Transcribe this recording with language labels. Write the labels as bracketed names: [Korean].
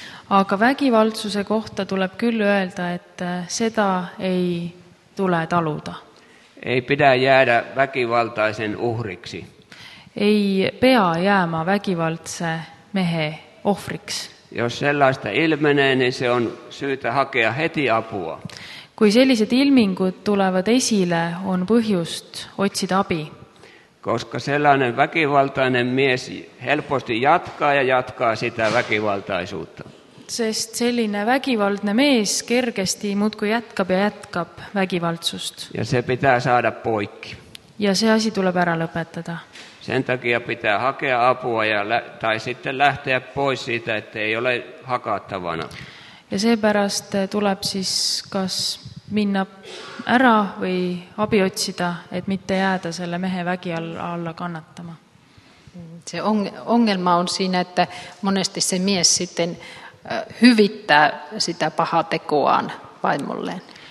[Estonian] Aga väkivaltsuse kohta tuleb kyllä öelda, et seda ei tule taluda. [Finnish] Ei pidä jäädä väkivaltaisen uhriksi. [Estonian] Ei pea jääma väkivaltse mehe ohriks. [Finnish] Jos sellaista ilmenee, niin se on syytä hakea heti apua. [Estonian] Kui sellised ilmingud tulevad esile, on põhjust otsida abi. [Finnish] Koska sellainen väkivaltainen mies helposti jatkaa ja jatkaa sitä väkivaltaisuutta. [Estonian] Sest selline väkivaltne mees kergesti muutku jätkab ja jätkab väkivaltsust. [Finnish] Ja se pitää saada poikki. [Estonian] Ja see asi tuleb ära lõpetada. [Finnish] Sen takia pitää hakea apua ja tai sitten lähteä pois siitä, että ei ole hakattavana. [Estonian] Ja seepärast tuleb siis kas minna ära või abi otsida, et mitte jääda selle mehe vägi alla kannatama. [Finnish] See ongelma on siinä, et monesti see mies sitten hyvittää sitä paha tekoaan vaimolleen.